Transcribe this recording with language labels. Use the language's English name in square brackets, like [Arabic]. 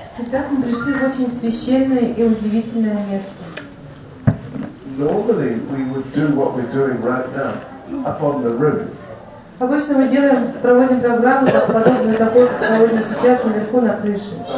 [Russian] Итак, мы пришли в очень священное и удивительное место. [English] Normally we would do what we're doing right now up on the roof. [Russian] Обычно мы делаем, проводим программу подобную такой, как проводим сейчас наверху на крыше.